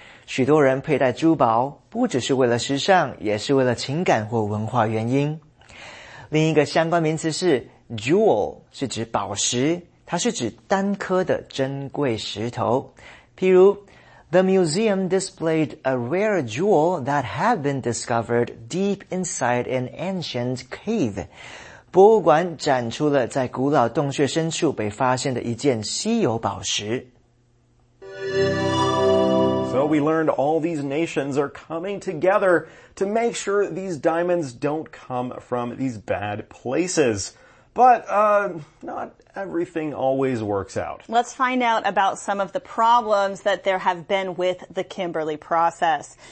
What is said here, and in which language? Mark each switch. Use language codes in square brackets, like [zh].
[zh] 许多人佩戴珠宝不只是为了时尚，也是为了情感或文化原因。另一个相关名词是 jewel， 是指宝石。 它是指单颗的珍贵石头，譬如 [en] The museum displayed a rare jewel that had been discovered deep inside an ancient cave. [zh] 博物馆展出了在古老洞穴深处被发现的一件稀有宝石。 [en] So we learned all these nations are coming together to make sure these diamonds don't come from these bad places. But, not everything always works out. Let's find out about some of the problems that there have been with the Kimberley process.